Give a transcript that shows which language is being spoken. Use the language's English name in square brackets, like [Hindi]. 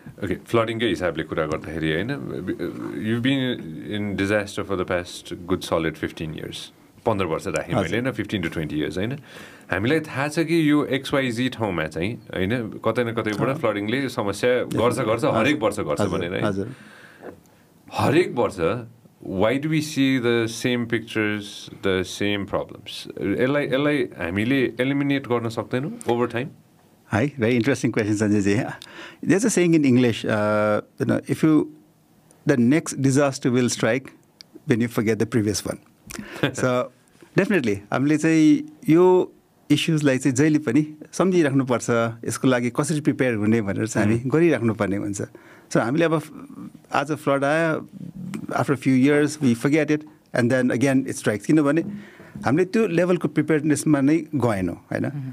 [Nepali] Okay, फ्लडिङकै हिसाबले कुरा गर्दाखेरि, होइन, [English] you been in disaster for the past good solid 15 [Nepali] years, 15 वर्ष राखेँ मैले, होइन, 15-20 years, होइन, हामीलाई थाहा छ कि यो एक्सवाइजी ठाउँमा चाहिँ, होइन, कतै न कतैबाट फ्लडिङले समस्या गर्छ हरेक वर्ष गर्छ भनेर, हरेक वर्ष [English] why do we see the same pictures, the same problems, [Nepali] यसलाई हामीले एलिमिनेट गर्न सक्दैनौँ over time? [English] Hi, very interesting question, Sanjay. There's a saying in English, you know, if you, the next disaster will strike when you forget the previous one. So definitely, [Nepali] हामीले चाहिँ यो इस्युजलाई चाहिँ जहिले पनि सम्झिराख्नुपर्छ, यसको लागि कसरी प्रिपेयर हुने भनेर चाहिँ हामी गरिराख्नुपर्ने हुन्छ. सो हामीले अब आज फ्लड आयो, [English] after few years we forget it and then again it strikes, [Nepali] किनभने हामीले त्यो लेभलको प्रिपेयरनेसमा नै गएनौँ, होइन.